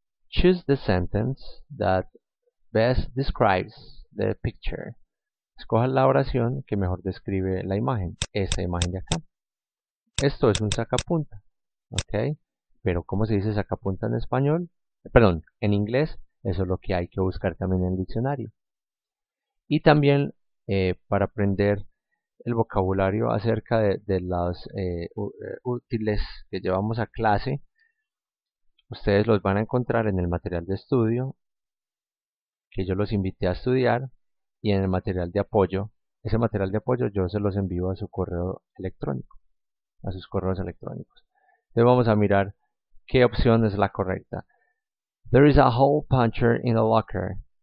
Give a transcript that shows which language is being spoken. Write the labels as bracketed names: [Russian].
[English] Choose the sentence that best describes the picture. [Spanish] Escoja la oración que mejor describe la imagen, esta imagen de acá. Esto es un sacapunta, ¿ok? Pero ¿cómo se dice sacapunta en español? Perdón, en inglés, eso es lo que hay que buscar también en el diccionario. Y también para aprender el vocabulario acerca de los útiles que llevamos a clase, ustedes los van a encontrar en el material de estudio que yo los invité a estudiar. Y en el material de apoyo, ese material de apoyo yo se los envío a su correo electrónico, a sus correos electrónicos. Entonces vamos a mirar qué opción es la correcta. [English] There is a hole puncher in the locker.